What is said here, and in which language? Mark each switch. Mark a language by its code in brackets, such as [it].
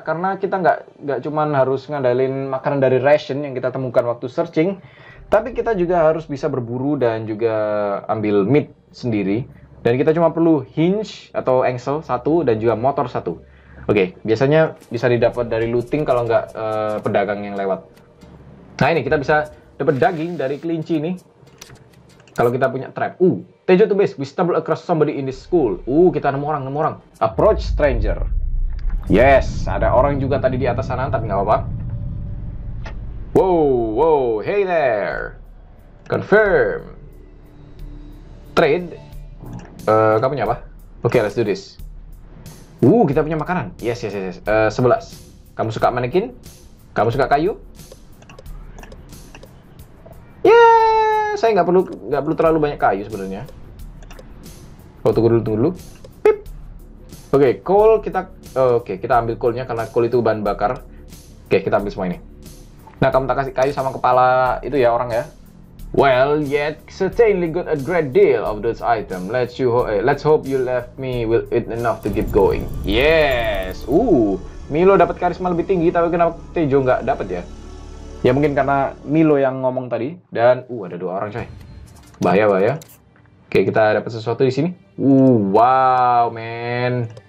[id] Karena kita nggak cuman harus ngandalin makanan dari ration yang kita temukan waktu searching, tapi kita juga harus bisa berburu dan juga ambil meat sendiri. Dan kita cuma perlu hinge atau engsel satu dan juga motor satu. Oke, biasanya bisa didapat dari looting kalau nggak pedagang yang lewat. Nah ini, kita bisa dapat daging dari kelinci ini. Kalau kita punya trap. [en] Tejo to base, we stumble across somebody in this school. [id] Kita nemu orang. [en] Approach stranger. [id] Yes, ada orang juga tadi di atas sana, tapi nggak apa-apa. [en] Wow, hey there. [id] Confirm. Trade. Kamu punya apa? [en] Okay, let's do this. [id] Kita punya makanan. Yes. 11. Kamu suka manekin? Kamu suka kayu? Yeah, saya nggak perlu terlalu banyak kayu sebenarnya. Oh, tunggu dulu. Pip. Okay, coal kita. Okay, kita ambil coalnya karena coal itu bahan bakar. Okay, kita ambil semua ini. Nah, kamu tak kasih kayu sama kepala itu ya orang ya? [en] Well, yet certainly got a great deal of those items. Let's hope you left me with it enough to keep going. Yes. [id] Milo dapat karisma lebih tinggi, tapi kenapa Tejo nggak dapat ya? Ya mungkin karena Milo yang ngomong tadi. Dan ada dua orang coy. Bahaya. Oke, kita dapat sesuatu di sini. Wow, man.